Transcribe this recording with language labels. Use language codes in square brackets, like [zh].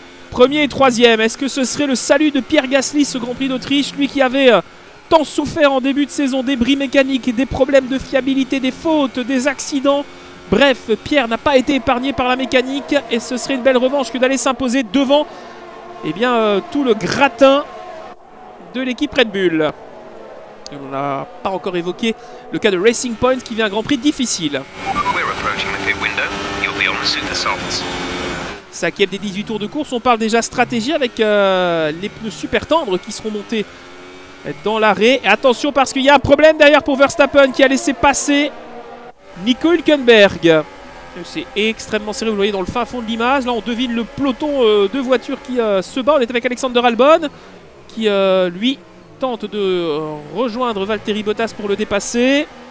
[fr] Premier et troisième, est-ce que ce serait le salut de Pierre Gasly, ce Grand Prix d'Autriche, lui qui avait tant souffert en début de saison, des bris mécaniques, des problèmes de fiabilité, des fautes, des accidents. Bref, Pierre n'a pas été épargné par la mécanique et ce serait une belle revanche que d'aller s'imposer devant tout le gratin de l'équipe Red Bull. On n'a pas encore évoqué le cas de Racing Point qui vient un Grand Prix difficile. [en] We're approaching the pit window. You'll be on the super softs. [fr] Cinquième des 18 tours de course, on parle déjà stratégie avec les pneus super tendres qui seront montés dans l'arrêt. Et attention parce qu'il y a un problème derrière pour Verstappen qui a laissé passer Nico Hülkenberg. C'est extrêmement serré, vous le voyez dans le fin fond de l'image. Là on devine le peloton de voitures qui se bat. On est avec Alexander Albon qui lui tente de rejoindre Valtteri Bottas pour le dépasser.